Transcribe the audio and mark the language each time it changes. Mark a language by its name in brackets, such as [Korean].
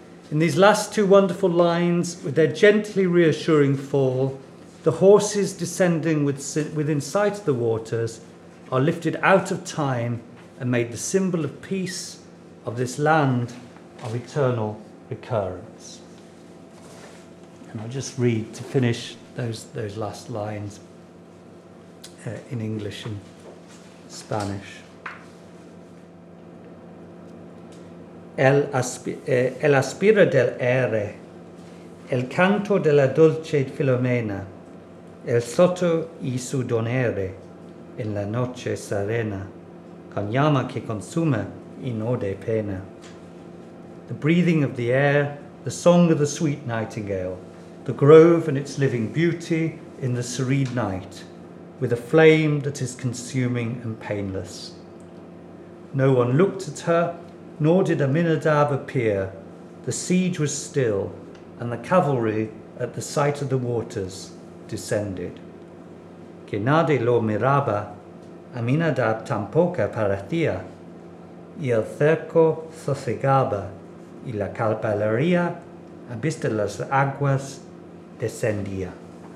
[English] In these last two wonderful lines, with their gently reassuring fall, the horses descending within sight of the waters are lifted out of time and made the symbol of peace, of this land of eternal recurrence. And I'll just read to finish those last lines in English and Spanish. [Spanish] El aspiro del aire, el canto de la dulce filomena, el soto y su donaire, en la noche serena, con llama que consume y no de pena. [English] The breathing of the air, the song of the sweet nightingale, the grove and its living beauty in the serene night, with a flame that is consuming and painless. No one looked at her, nor did Aminadab appear. The siege was still, and the cavalry at the sight of the waters descended. [Spanish] Que nadie lo miraba, Aminadab tampoco parecía, y el cerco sosegaba, y la caballería a vista las aguas descendía.